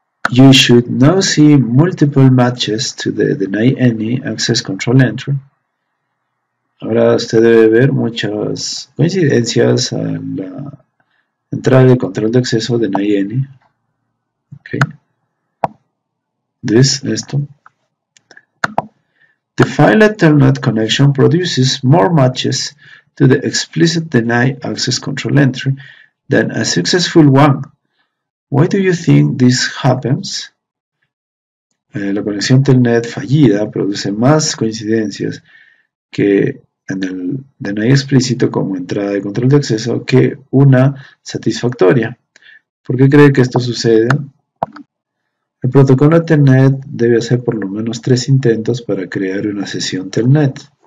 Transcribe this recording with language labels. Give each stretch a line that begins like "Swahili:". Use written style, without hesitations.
English: You should now see multiple matches to the deny any access control entry.
Spanish: Ahora usted debe ver muchas coincidencias a la entrada de control de acceso deny any. Ok.
English: This,
Spanish: esto.
English: The file Ethernet connection produces more matches to the explicit deny access control entry than a successful one. Why do you think this happens?
Spanish: La conexión Telnet fallida produce más coincidencias que en el deny explícito como entrada de control de acceso que una satisfactoria. ¿Por qué cree que esto sucede? El protocolo Telnet debe hacer por lo menos 3 intentos para crear una sesión Telnet.